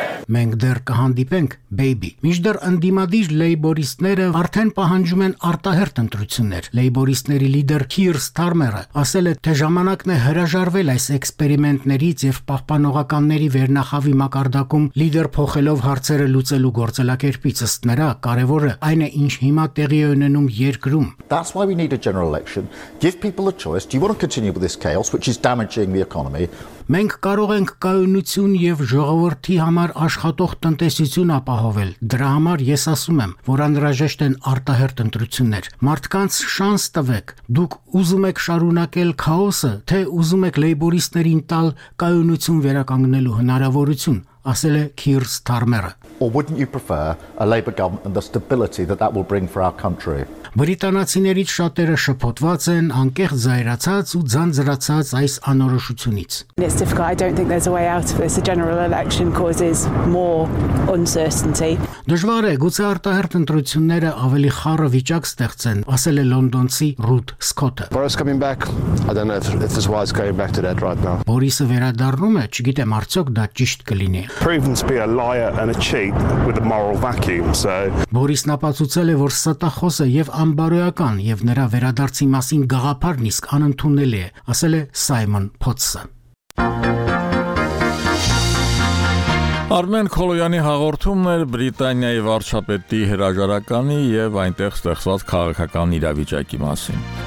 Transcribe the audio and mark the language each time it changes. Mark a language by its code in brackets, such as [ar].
[hy] Մենք դեռ կհանդիպենք, baby. Միջդեռ ընդդիմադիր լեյբորիստները արդեն պահանջում են արտահերտ ընտրություններ։ Լեյբորիստների լիդեր Քիր Ստարմերը ասել է, թե ժամանակն է հրաժարվել այս էքսպերիմենտներից եւ պահպանողականների վերնախավի մակարդակում լիդեր փոխելով հարցերը լուծելու գործելակերպից, ըստ նրա, կարևորը այն է, ինչ հիմա տեղի է ունենում երկրում։ [en] That's why we need a general election. Give people a choice. Do you want to continue with this chaos which is damaging the economy? [hy] Մենք կարող ենք կայունություն եւ ժողովրդի համար աշխատող տնտեսություն ապահովել։ Դրա համար ես ասում եմ, որ անհրաժեշտ են արտահերտ ընտրություններ։ Մարդկանց շանս տվեք։ Դուք ուզում եք շարունակել քաոսը, թե ուզում եք լեյբորիստերին տալ կայունություն վերականգնելու հնարավորություն, ասել է Քիր Ստարմերը։ [en] Or wouldn't you prefer a Labour government and the stability that that will bring for our country? [hy] Բրիտանացիներից շատերը շփոթված են, անկեղծ զայրացած ու ձանձրացած այս անորոշությունից։ [en] It's difficult. I don't think there's a way out of this. The general election causes more uncertainty. [hy] Դժվար է, գուցե արտահերտ ընտրությունները ավելի խառը վիճակ ստեղծեն, ասել է լոնդոնցի Ruth Scott-ը։ [en] Boris coming back. I don't know if this wise going back to that right now. [hy] Boris-ը վերադառնում է, չգիտեմ արդյոք դա ճիշտ կլինի։ [en] Proven to be a liar and a cheat with a moral vacuum, so. [hy] Boris-ն ապացուցել է, որ սատախոս է եւ անբարոյական, եւ նրա վերադարձի մասին գաղափարն իսկ անընդունելի է, ասել է Սայմոն Փոթսը։ Արմեն Քոլոյանի հաղորդումն էր Բրիտանիայի վարչապետի հրաժարականի եւ այնտեղ ստեղծված քաղաքական իրավիճակի մասին։